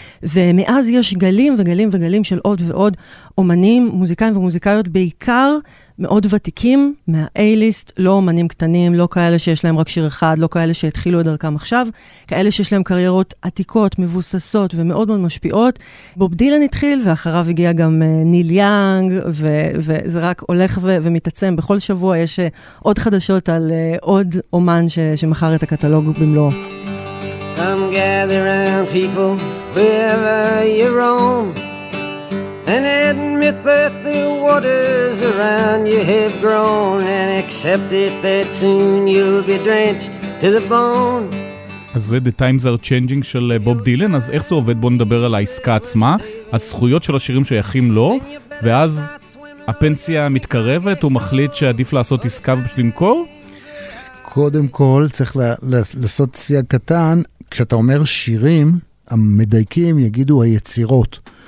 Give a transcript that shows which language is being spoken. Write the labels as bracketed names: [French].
[Hebrew] ומאז יש גלים וגלים וגלים של עוד ועוד אומנים, מוזיקאים ומוזיקאיות, בעיקר מאוד ותיקים מה-A-List, לא אומנים קטנים, לא כאלה שיש להם רק שיר אחד, לא כאלה שהתחילו את דרכם עכשיו, כאלה שיש להם קריירות עתיקות, מבוססות ומאוד מאוד משפיעות. בוב דילן התחיל, ואחריו הגיע גם ניל יאנג, וזה רק הולך ומתעצם. בכל שבוע יש עוד חדשות על עוד אומן שמחר את הקטלוג במלואו. [English] I'm gathering people wherever you roam. And admit that the waters around you have grown, and accept it that soon you'll be drenched to the bone. [Hebrew] אז זה The Times Are Changing של בוב דילן, אז איך זה עובד? בוא נדבר על העסקה עצמה, הזכויות של השירים שייכים לו, ואז הפנסיה מתקרבת, הוא מחליט שעדיף לעשות עסקה ובשביל למכור? קודם כל, צריך לעשות שיח קטן, כשאתה אומר שירים, המדייקים יגידו היצירות.